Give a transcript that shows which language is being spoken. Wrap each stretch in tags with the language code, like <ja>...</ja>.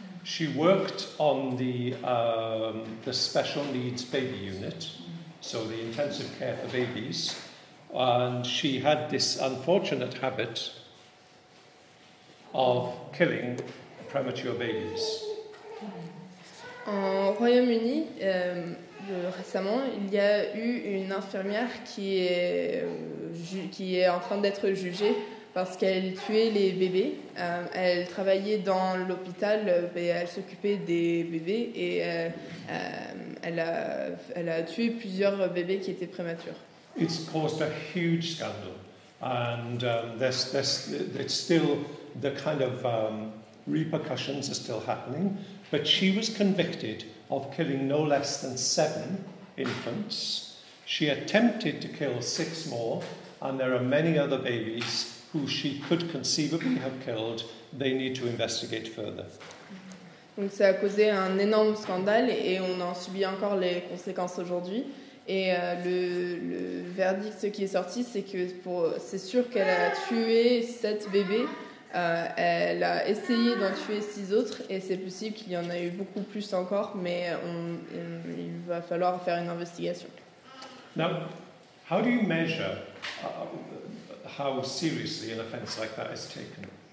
<en>She worked on the special needs baby unit, so the intensive care for babies, and she had this unfortunate habit of killing premature babies.</en> <fr>En Royaume-Uni, récemment, il y a eu une infirmière qui est en train d'être jugée parce qu'elle tuait les bébés. Elle travaillait dans l'hôpital et elle s'occupait des bébés et elle a tué plusieurs bébés qui étaient prématurés.</fr> <en>It's caused a huge scandal and there's still the kind of repercussions are still happening, but she was convicted of killing no less than 7 infants. She attempted to kill 6 more and there are many other babies who she could conceivably have killed, they need to investigate further.</en> <fr>Donc ça a causé un énorme scandale et on en subit encore les conséquences aujourd'hui. Et le verdict qui est sorti, c'est que c'est sûr qu'elle a tué 7 bébés. Elle a essayé d'en tuer 6 autres et c'est possible qu'il y en a eu beaucoup plus encore, mais il va falloir faire une investigation.</fr> <en>Now, how do you measure how seriously an offense like that is taken?</en>